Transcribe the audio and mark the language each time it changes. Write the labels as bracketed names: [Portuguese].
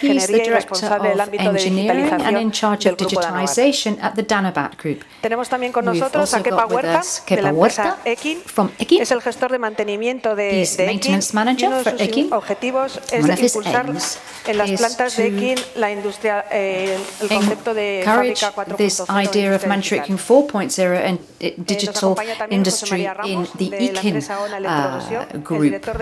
[English] He's the director of engineering and in charge of digitization at the Danabat Group. [Spanish] Tenemos también con nosotros a Kepa Huerta, de la empresa Ekin. [English] From Ekin. [Spanish] Es el gestor de mantenimiento de [English] Ekin. He's maintenance manager for Ekin. [Spanish] Uno de sus objetivos es impulsar en las plantas de Ekin la industria, el concepto de fábrica 4.0. [English] This idea of manufacturing 4.0 and digital industry in the Ekin group.